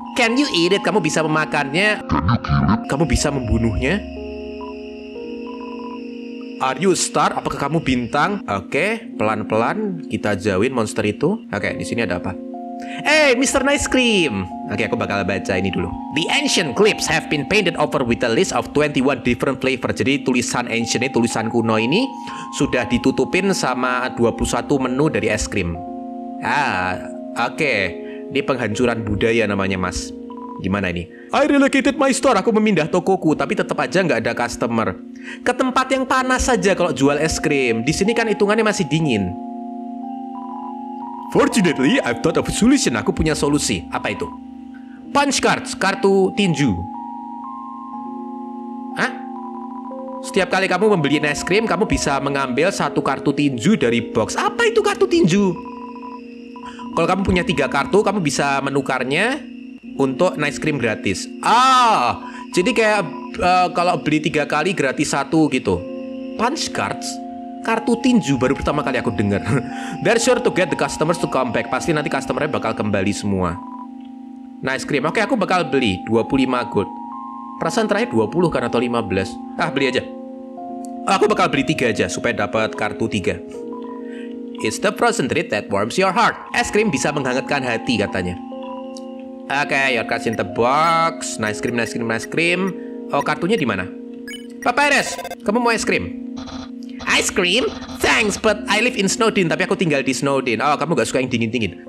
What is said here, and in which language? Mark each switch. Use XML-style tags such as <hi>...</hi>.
<en>Can you eat it?</en> <id>Kamu bisa memakannya?</id> <en>Can you kill it?</en> <id>Kamu bisa membunuhnya?</id> <en>Are you a star?</en> <id>Apakah kamu bintang? Oke, pelan-pelan kita jauhin monster itu. Oke, di sini ada apa?</id> <en>Hey, Mr. Nice Cream.</en> <id>Oke, aku bakal baca ini dulu.</id> <en>The ancient clips have been painted over with a list of 21 different flavors.</en> <id>Jadi tulisan ancient ini, tulisan kuno ini, sudah ditutupin sama 21 menu dari es krim. Ini penghancuran budaya namanya, Mas. Gimana ini?</id> <en>I relocated my store.</en> <id>Aku memindah tokoku, tapi tetap aja nggak ada customer. Ke tempat yang panas saja kalau jual es krim. Di sini kan hitungannya masih dingin.</id> <en>Fortunately, I've thought of a solution.</en> <id>Aku punya solusi. Apa itu? Punch cards, kartu tinju. Hah? Setiap kali kamu membeli es krim, kamu bisa mengambil satu kartu tinju dari box. Apa itu kartu tinju? Kalau kamu punya 3 kartu, kamu bisa menukarnya untuk nice cream gratis. Ah, jadi kayak kalau beli 3 kali gratis 1 gitu. Punch cards? Kartu tinju baru pertama kali aku dengar.</id> <en>They're sure to get the customers to come back.</en> <id>Pasti nanti customernya bakal kembali semua. Nice cream. Oke, aku bakal beli 25 gold. Perasaan terakhir 20 kan atau 15. Ah, beli aja. Aku bakal beli 3 aja supaya dapat kartu 3.</id> <en>It's the frozen treat that warms your heart.</en> <id>Es krim bisa menghangatkan hati katanya.</id> <en>Oke, okay, you're cashing the box. Nice cream, nice cream, nice cream.</en> <id>Oh, kartunya di mana? Papyrus, kamu mau es krim? Ice cream?</id> <en>Thanks, but I live in Snowdin.</en> <id>Tapi aku tinggal di Snowdin. Oh, kamu gak suka yang dingin-dingin.</id>